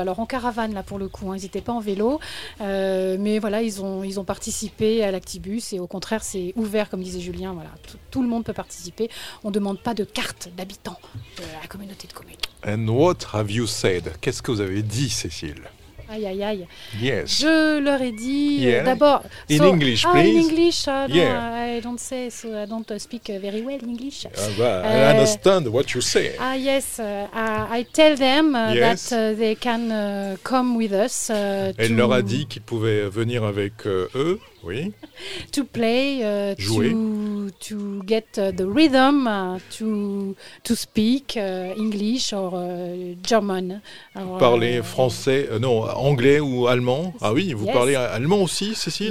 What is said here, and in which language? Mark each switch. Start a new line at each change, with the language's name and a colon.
French: Alors, en caravane, là, pour le coup, hein, ils n'étaient pas en vélo. Mais voilà, ils ont participé à l'Actibus. Et au contraire, c'est ouvert, comme disait Julien. Voilà, tout le monde peut participer. On ne demande pas de carte d'habitant de la communauté de communes.
English: And what have you said ?
French: Qu'est-ce que vous avez dit, Cécile ? Aïe, aïe, aïe.
English: Yes.
French: Je leur ai dit, d'abord...
English: In English, please. In English, I don't speak very well English. I understand what you say. Ah, yes. I tell them that they can come with us.
French: Elle leur a dit qu'ils pouvaient venir avec eux, oui.
English: To play, to get the rhythm, to speak English or German.
French: Parler français, non, anglais ou allemand. Ah oui, vous parlez allemand aussi, Cécile ?